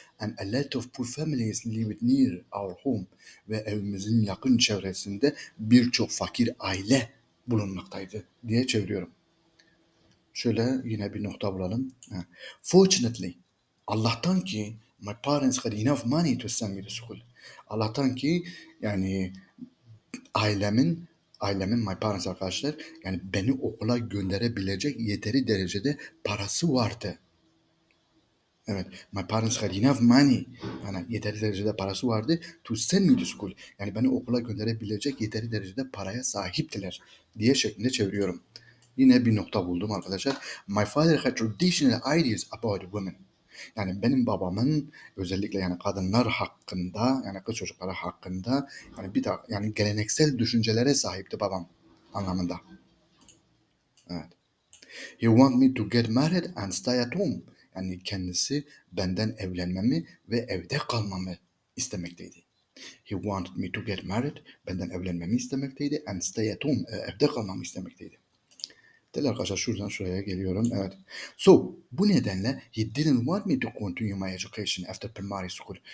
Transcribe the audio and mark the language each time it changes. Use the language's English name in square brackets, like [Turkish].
[English] And a lot of poor families lived near our home. [Turkish] Ve evimizin yakın çevresinde birçok fakir aile bulunmaktaydı diye çeviriyorum. Şöyle yine bir nokta bulalım. [English] Fortunately, [Turkish] Allah'tan ki [English] my parents had enough money to send me to school. [Turkish] Allah'tan ki yani ailemin [English] my parents [Turkish] arkadaşlar yani beni okula gönderebilecek yeteri derecede parası vardı. Evet, [English] my parents had enough money [Turkish] yani yeteri derecede parası vardı [English] to send me to school. [Turkish] Yani beni okula gönderebilecek yeteri derecede paraya sahiptiler diye şeklinde çeviriyorum. Yine bir nokta buldum arkadaşlar. [English] My father had traditional ideas about women. [Turkish] Yani benim babamın özellikle yani kadınlar hakkında yani kız çocukları hakkında yani bir daha yani geleneksel düşüncelere sahipti babam anlamında. Evet. [English] He want me to get married and stay at home. [Turkish] Yani kendisi benden evlenmemi ve evde kalmamı istemekteydi. [English] He wanted me to get married. [Turkish] Benden evlenmemi istemekteydi. [English] And stay at home. [Turkish] Evde kalmamı istemekteydi. Değil arkadaşlar şuradan şuraya geliyorum. Evet. [English] So [Turkish] bu nedenle [English] he didn't want me to continue my education after primary school.